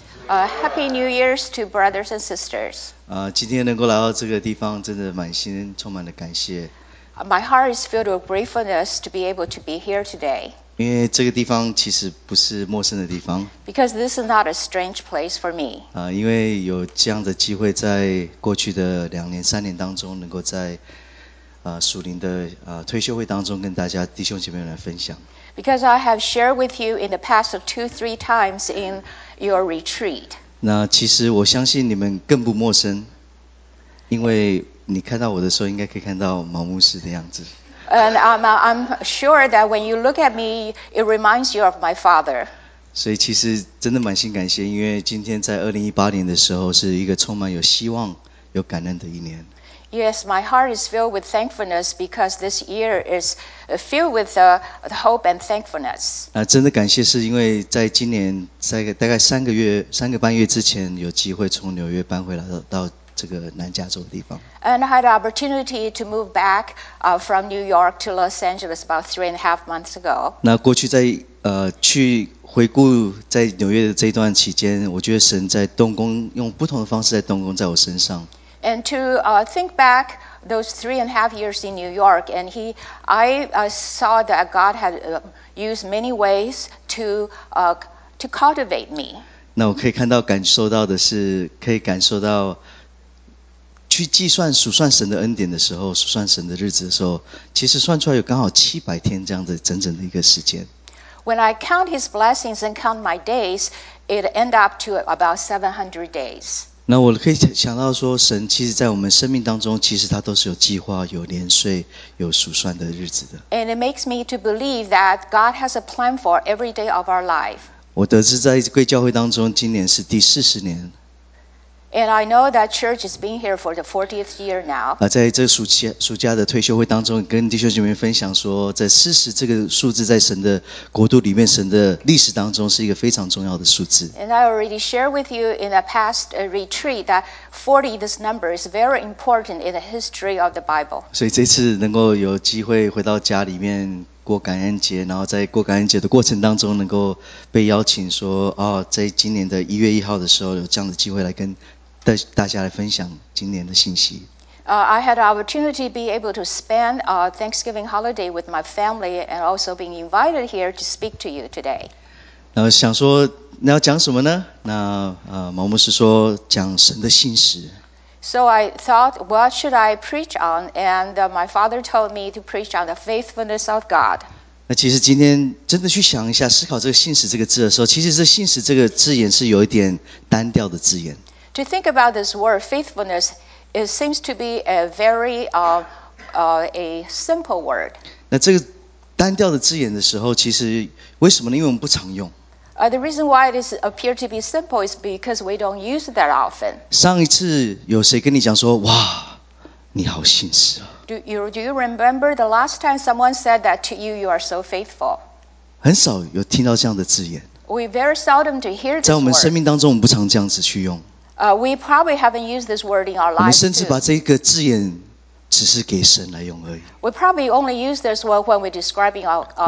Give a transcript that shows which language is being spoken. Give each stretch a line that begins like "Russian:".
English: Happy New Year's to brothers and sisters.
Chinese: 今天能够来到这个地方，真的满心充满了感谢。
English: My heart is filled with gratefulness to be able to be here today.
Chinese: 因为这个地方其实不是陌生的地方。
English: Because this is not a strange place for me.
Chinese: 因为有这样的机会，在过去的两年、三年当中，能够在属灵的退休会当中，跟大家弟兄姐妹来分享。
English: Because I have shared with you in the past of 2-3 times in your retreat.
Chinese: 那其实我相信你们更不陌生，因为你看到我的时候，应该可以看到毛牧师的样子。
English: And I'm sure that when you look at me, it reminds you of my father.
Chinese: 所以其实真的满心感谢，因为今天在2018年的时候，是一个充满有希望、有感恩的一年。
English: Yes, my heart is filled with thankfulness because this year is filled with the hope and thankfulness.
Chinese: 真的感谢是因为在今年在大概三个半月之前有机会从纽约搬回来 到这个南加州的地方。
English: And I had an opportunity to move back from New York to Los Angeles about 3.5 months ago.
Chinese: 那过去在去回顾在纽约的这段期间，我觉得神在动工，用不同的方式在动工在我身上。
English: And to think back those 3.5 years in New York, and I saw that God had used many ways to cultivate me.
Chinese: 那我可以看到感受到的是，可以感受到去计算数算神的恩典的时候，数算神的日子的时候，其实算出来有刚好700天这样的整整的一个时间。
English: When I count His blessings and count my days, it end up to about 700 days.
Chinese: 那我可以想到说，神其实在我们生命当中，其实他都是有计划、有年岁、有数算的日子的。
English: And it makes me to believe that God has a plan for every day of our life.
Chinese: 我得知在贵教会当中，今年是第40年。
English: And I know that church has been here for the 40th year now.
Chinese: 在这暑假的退休会当中，跟弟兄姐妹分享说，在40这个数字在神的国度里面，神的历史当中是一个非常重要的数字。
English: And I already shared with you in a past retreat that 40 this number is very important in the history of the Bible.
Chinese: 所以这次能够有机会回到家里面过感恩节，然后在过感恩节的过程当中，能够被邀请说，在今年的1月1号的时候，有这样的机会来跟大家来分享今年的信息。
English: I had an opportunity to be able to spend Thanksgiving holiday with my family and also being invited here to speak to you today.
Chinese: 那想说，那要讲什么呢？那毛牧师说讲神的信实。
English: So I thought, what should I preach on? And my father told me to preach on the faithfulness of God.
Chinese: 那其实今天真的去想一下，思考这个信实这个字的时候，其实这信实这个字眼是有一点单调的字眼。
English: To think about this word faithfulness, it seems to be a very a simple word.
Chinese: 那这个单调的字眼的时候，其实为什么呢？因为我们不常用。
English: The reason why it appears to be simple is because we don't use it that often.
Chinese: 上一次有谁跟你讲说，哇，你好信实啊。
English: Do you remember the last time someone said that to you, you are so faithful?
Chinese: 很少有听到这样的字眼。
English: We very seldom to hear this word.
Chinese: 在我们生命当中，我们不常这样子去用。
English: We probably haven't used this word in our lives.
Chinese: 我们甚至把这个字眼只是给神来用而已。
English: We probably only use this word when we're describing our God.